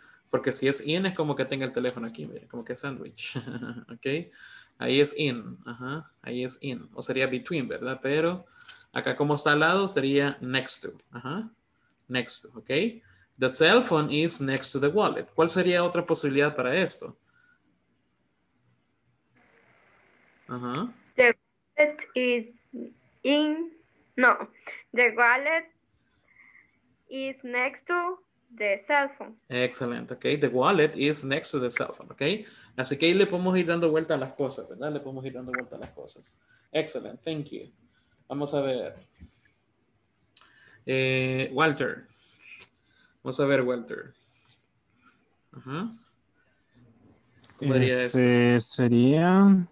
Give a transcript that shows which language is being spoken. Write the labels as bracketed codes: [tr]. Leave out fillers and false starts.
[es] Porque si es in, es como que tenga el teléfono aquí, mire, como que es sandwich. Ok. Ahí es in. Ahí es in. O sería between, ¿verdad? Pero acá, como está al lado, sería next to. [en] Next to. Ok. The cell phone is next to the wallet. [es] ¿Cuál sería otra posibilidad para esto? [en] The wallet is in... No. The wallet is next to the cell phone. [es] Excelente, ok. [en] The wallet is next to the cell phone, ok. [es] Así que ahí le podemos ir dando vuelta a las cosas, ¿verdad? Le podemos ir dando vuelta a las cosas. Excelente, [en] thank you. [es] Vamos a ver. Walter. Vamos a ver, Walter. Ajá. Ese sería.